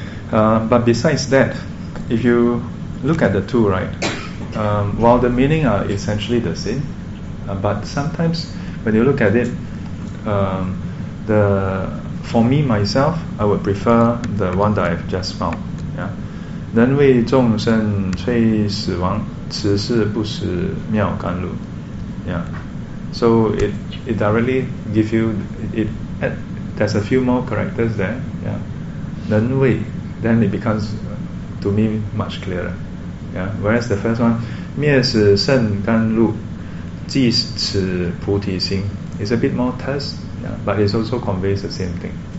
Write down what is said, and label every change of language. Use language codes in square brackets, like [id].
[en] But besides that, if you look at the two, right, while the meaning are essentially the same, but sometimes when you look at it, for me myself, I would prefer the one that I've just found. Yeah. [zh] 人为众生催死亡，此事不死妙甘露. [en] Yeah. So it directly give you it there's a few more characters there. Yeah. [zh] 人为, [en] then it becomes to me much clearer. Yeah. Whereas the first one, [zh] 灭是圣甘露, 即此菩提心, [en] is a bit more terse, yeah, but it also conveys the same thing.